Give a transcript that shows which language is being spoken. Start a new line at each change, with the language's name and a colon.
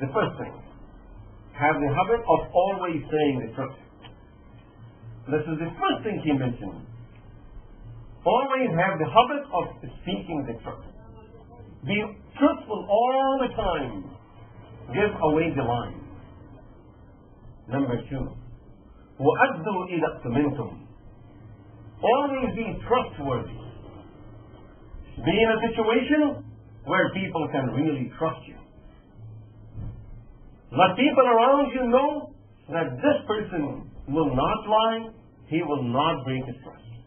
English: The first thing, have the habit of always saying the truth. This is the first thing he mentioned. Always have the habit of speaking the truth. Be truthful all the time. Give away the lie. Number two,
Arabic: وَأَدُّوا إِذَا اؤْتُمِنْتُمْ.
English: Always be trustworthy. Be in a situation where people can really trust you. Let people around you know that this person will not lie, he will not break his trust.